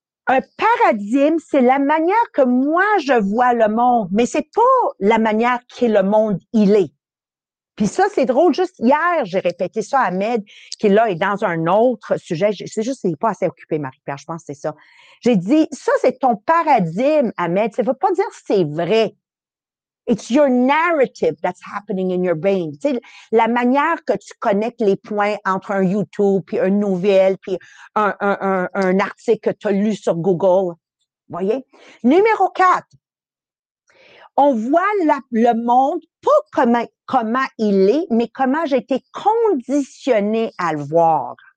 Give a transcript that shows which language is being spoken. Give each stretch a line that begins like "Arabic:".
French: Un paradigme, c'est la manière que moi je vois le monde, mais c'est pas la manière que le monde il est. Puis ça, c'est drôle. Juste hier, j'ai répété ça à Ahmed, qui là est dans un autre sujet. C'est juste qu'il n'est pas assez occupé, Marie-Pierre, je pense que c'est ça. J'ai dit, ça, c'est ton paradigme, Ahmed. Ça ne veut pas dire que c'est vrai.
English: It's your narrative that's happening in your brain.
French: Tu sais, la manière que tu connectes les points entre un YouTube, puis une nouvelle, puis un article que tu as lu sur Google. Voyez? Numéro 4. On voit le monde pas comment il est, mais comment j'ai été conditionnée à le voir.